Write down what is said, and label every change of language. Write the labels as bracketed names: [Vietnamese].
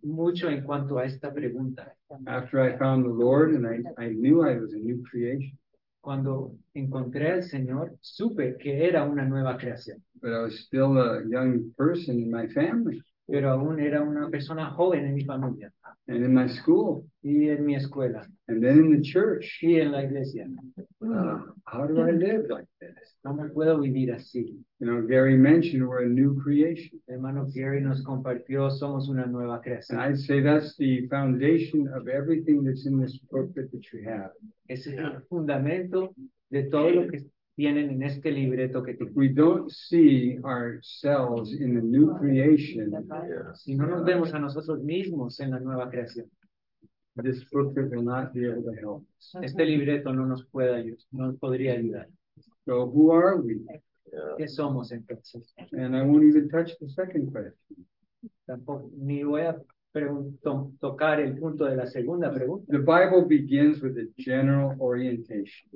[Spanish] Mucho en cuanto a esta pregunta. [English] After I found the Lord and I knew I was a new creation. [Spanish] Cuando encontré al Señor, supe que era una nueva creación. [English] But I was still a young person in my family. [Spanish] Pero aún era una persona joven en mi familia. [English] And in my school. [Spanish] Y en mi escuela. [English] And then in the church. [Spanish] Y en la iglesia. [English] How do I live like this? [Spanish] ¿Cómo puedo vivir así? [English] You know, Gary mentioned we're a new creation. [Spanish] Hermano Gary nos compartió, somos una nueva creación. [English] And I'd say that's the foundation of everything that's in this book that you have. [Spanish] Ese es el fundamento de todo lo que tienen en este libreto que tienen. [English] If we don't see ourselves in the new creation, [Spanish] si no nos vemos a nosotros mismos en la nueva creación, [English] this book will not be able to help us. [Spanish] Este libreto no nos puede ayudar, no nos podría ayudar. [English] So who are we? [Spanish] ¿Qué somos entonces? [English] And I won't even touch the second question. [Spanish] Tampoco, ni voy a tocar el punto de la segunda pregunta. [English] The Bible begins with a general orientation.